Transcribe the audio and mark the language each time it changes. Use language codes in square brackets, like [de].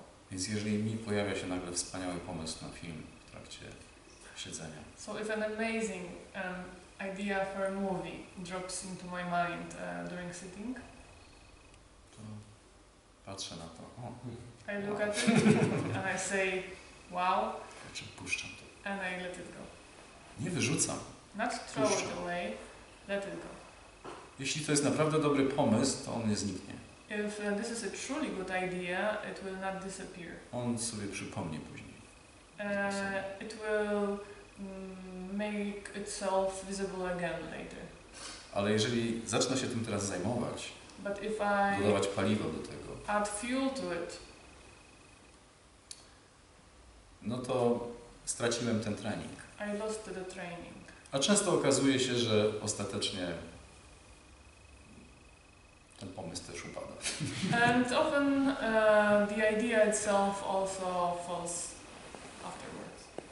[pl] Więc jeżeli mi pojawia się nagle wspaniały pomysł na film w trakcie siedzenia. [en] So if an amazing idea for a movie drops into my mind during sitting. [pl] To patrzę na to. [en] Oh. I look at it and I say wow. [pl] Znaczy puszczam to. [en] And I let it go. [pl] Nie wyrzucam. [en] Not throw it away. Let it go. [pl] Jeśli to jest naprawdę dobry pomysł, to on nie zniknie. [en] If this is a truly good idea, it will not disappear. [pl] On sobie przypomni później. [en] It will make itself visible again later. [pl] Ale jeżeli zacznę się tym teraz zajmować, [en] but if I [pl] dodawać paliwo do tego, [en] add fuel to it, [pl] no to straciłem ten trening. [en] I lost the training. [pl] A często okazuje się, że ostatecznie ten pomysł też upada. [en] And often the idea itself also falls afterwards.